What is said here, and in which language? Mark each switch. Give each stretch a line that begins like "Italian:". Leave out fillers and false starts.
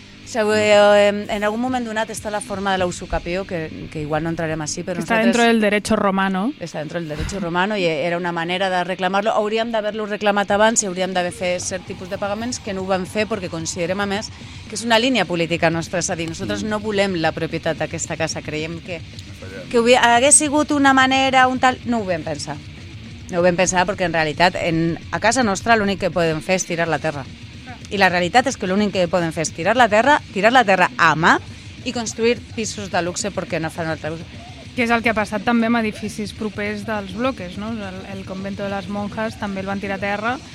Catalan: En algun moment donat està la forma de l'usucapió, que igual no entrarem així, però...
Spanish: Està dentro del derecho romano.
Catalan: Està
Spanish: dentro del derecho romano
Catalan: i era una manera de reclamar-lo. Hauríem d'haver-lo reclamat abans i hauríem d'haver fet cert tipus de pagaments que no ho vam fer perquè considerem, a més, que és una línia política nostra. És a dir, nosaltres no volem la propietat d'aquesta casa. Creiem que hagués sigut una manera, un tal... No ho vam pensar. No ho vam pensar perquè en realitat a casa nostra l'únic que podem fer és tirar la terra. I la realitat és que l'únic que podem fer és tirar la terra a mà i construir pisos de luxe perquè no fan altra cosa. Que és el que ha passat també amb edificis propers dels Bloques, no? El Convento de les Monjas també el van tirar a terra.